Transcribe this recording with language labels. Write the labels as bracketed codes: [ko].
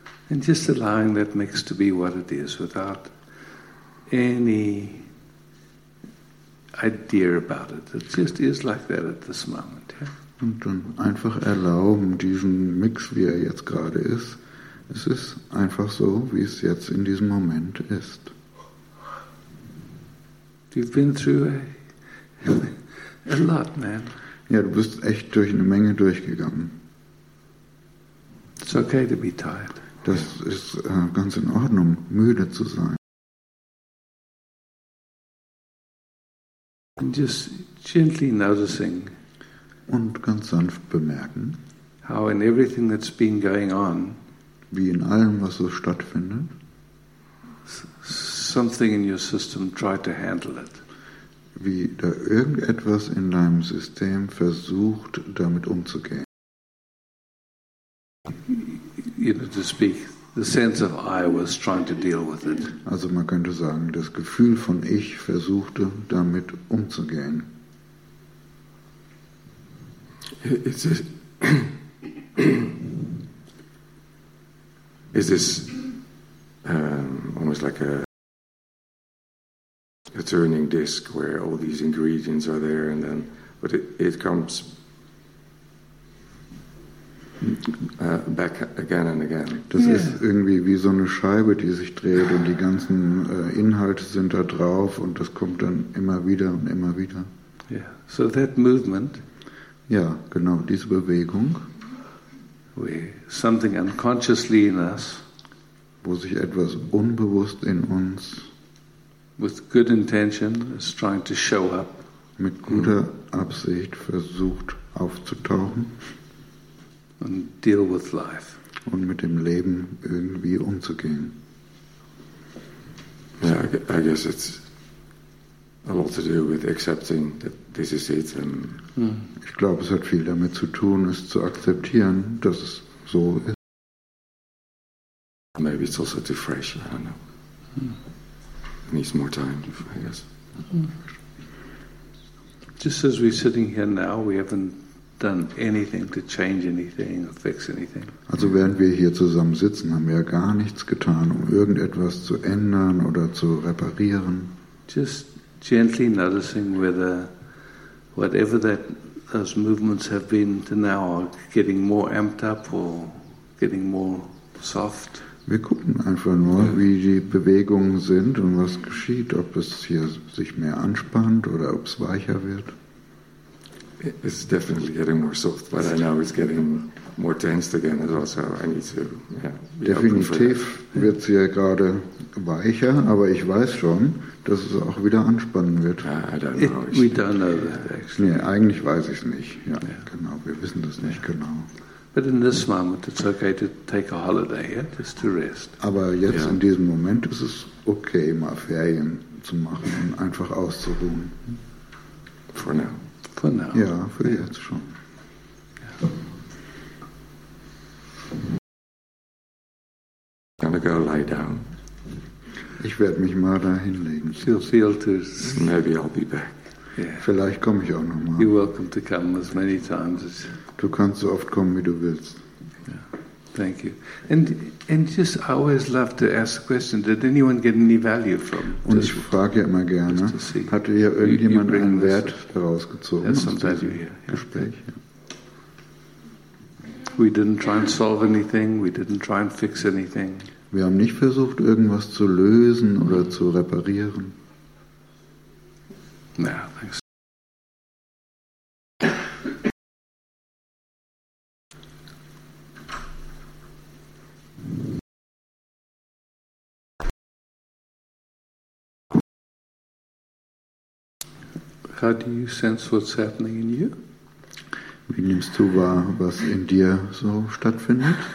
[en] And just allowing that mix to be what it is, without any idea about it. It just is like that at this moment. [de] Und dann einfach erlauben, diesen Mix, wie er jetzt gerade ist. Es ist einfach so, wie es jetzt in diesem Moment ist. [en] You've been through a lot, man. [de] Ja, du bist echt durch eine Menge durchgegangen. [en] It's okay to be tired. [de] Das ist ganz in Ordnung, müde zu sein. [en] And just gently noticing. [de] Und ganz sanft bemerken, [en] how in everything that's been going on, [de] wie in allem, was so stattfindet, [en] something in your system tried to handle it. [de] Wie da irgendetwas in deinem System versucht, damit umzugehen. [en] You know, to speak, the sense of I was trying to deal with it. [de] Also man könnte sagen, das Gefühl von ich versuchte, damit umzugehen. [en] Is this almost like a turning disc where all these ingredients are there, and then, but it comes back again and again. [de] Das ist irgendwie wie so eine Scheibe, die sich dreht, und die ganzen Inhalte sind da drauf, und das kommt dann immer wieder und immer wieder. [en] Yeah. So that movement. [de] Ja, genau, diese Bewegung, [en] something unconsciously in us, [de] wo sich etwas unbewusst in uns [en] with good intention is trying to show up, [de] mit guter Absicht versucht aufzutauchen [en] and deal with life, [de] und mit dem Leben irgendwie umzugehen. [en] Ja, yeah, I guess it's a lot to do with accepting that this is it. [de] Ich glaube, es hat viel damit zu tun, es zu akzeptieren, dass es so ist. [en] Maybe it's also too fresh, I don't know. It needs more time, I guess. just as we're sitting here now, we haven't done anything to change anything or fix anything. [de] Also während wir hier zusammen sitzen, haben wir gar nichts getan, um irgendetwas zu ändern oder zu reparieren. [en] Just gently noticing whether whatever that those movements have been to now are getting more amped up or getting more soft. [de] Wir gucken einfach nur, wie die Bewegungen sind und was geschieht, ob es hier sich mehr anspannt oder ob es weicher wird. [en] It's definitely getting more soft, but I know it's getting more tensed again as well, so I need to, yeah. [de] Definitiv wird es hier gerade weicher, aber ich weiß schon, dass es auch wieder anspannen wird. [en] We don't know that actually. [de] Nee, eigentlich weiß ich es nicht. Ja, genau, wir wissen das nicht genau. [en] But in this moment it's okay to take a holiday, just to rest. [de] Aber jetzt in diesem Moment ist es okay, mal Ferien zu machen und einfach auszuruhen. [en] For now. For now. [de] Ja, für jetzt schon. [en] Yeah. I'm gonna go lie down. [de] Ich werde mich mal da hinlegen. [en] She'll feel to... Maybe I'll be back. [de] Yeah. Vielleicht komme ich auch nochmal. [en] You're welcome to come as many times as... [de] Du kannst so oft kommen, wie du willst. [en] Yeah. Thank you. And just, I always love to ask the question, did anyone get any value from this? [de] Und ich frage ja immer gerne, hat hier irgendjemand einen Wert daraus gezogen? [en] That's some value here. [de] Gespräch. [en] We didn't try and solve anything, we didn't try and fix anything. [de] Wir haben nicht versucht, irgendwas zu lösen oder zu reparieren. [en] No, thanks. How do you sense what's happening in you? [de] Wie nimmst du wahr, was in dir so stattfindet?